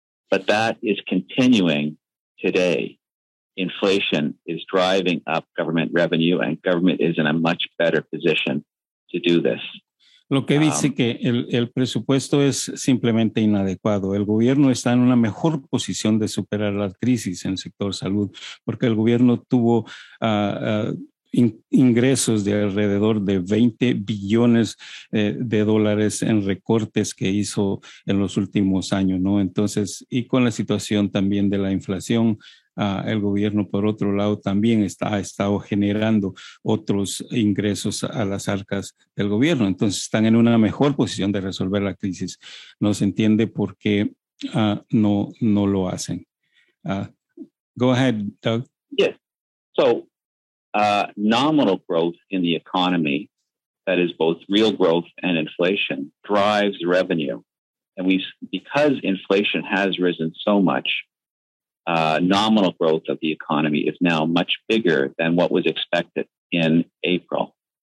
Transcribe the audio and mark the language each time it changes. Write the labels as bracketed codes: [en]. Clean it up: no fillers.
[en] But that is continuing today. Inflation is driving up government revenue, and government is in a much better position to do this. [es] Lo que dice que el presupuesto es simplemente inadecuado. El gobierno está en una mejor posición de superar la crisis en el sector salud porque el gobierno tuvo ingresos de alrededor de 20 billones de dólares en recortes que hizo en los últimos años, ¿no? Entonces, y con la situación también de la inflación, el gobierno, por otro lado, también ha estado generando otros ingresos a las arcas del gobierno. Entonces, están en una mejor posición de resolver la crisis. No se entiende por qué no lo hacen. [en] Go ahead, Doug. Yes. So, nominal growth in the economy, that is both real growth and inflation, drives revenue. And because inflation has risen so much, nominal growth of the economy is now much bigger than what was expected in April.